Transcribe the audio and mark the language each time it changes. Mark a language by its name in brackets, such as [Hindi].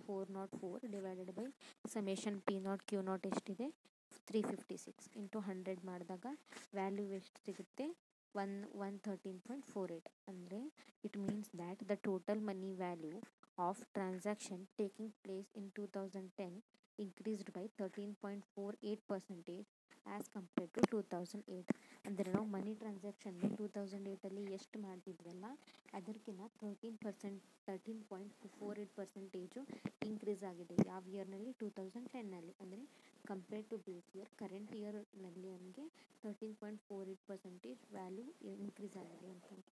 [English] 404 divided by summation P0 Q0 ಎಷ್ಟಿದೆ? [Kannada] 356 into 100 ಮಾಡಿದಾಗ value ಎಷ್ಟು ಸಿಗುತ್ತೆ? [English] 113.48. ಅಂದರೆ it means that the total money value of transaction taking place in 2010 increased by 13.48% as compared to 2008. [Kannada] ಅಂದರೆ ನಾವು ಮನಿ transaction 2008 ಎಷ್ಟು ಮಾಡ್ತಿದ್ವಲ್ಲ ಅದಕ್ಕಿಂತ 13.48% ಇನ್ಕ್ರೀಸ್ ಆಗಿದೆ ಯಾವ ಇಯರ್ನಲ್ಲಿ 2010 ಅಂದರೆ compare to base year current ಇಯರ್ನಲ್ಲಿ ನಮಗೆ 13.48% ವ್ಯಾಲ್ಯೂ ಇನ್ಕ್ರೀಸ್ ಆಗಿದೆ ಅಂತ.